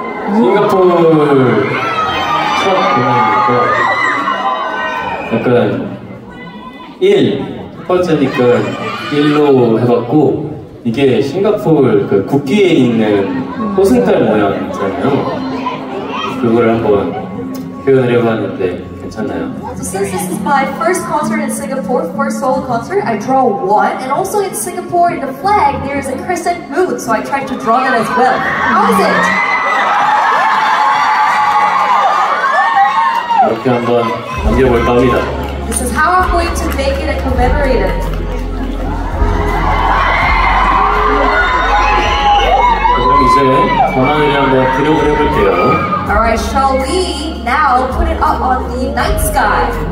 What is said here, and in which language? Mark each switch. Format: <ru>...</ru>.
<ko>싱가포르 첫 공연이니까 약간 1 번째니까 1로 해봤고 이게 싱가포르 그 국기에 있는 호승달 모양이잖아요. 그걸 한번 표현하려고 하는데 괜찮나요?</ko> <en>So since this is my first concert in Singapore, first solo concert, I draw one. And also in Singapore, in the flag, there is a crescent moon, so I tried to draw that as well. How is it?</en> <ko>함께 한번 남겨볼까 합니다.</ko> <en>This is how I'm going to make it a commemorator. Alright, shall we now put it up on the night sky?</en>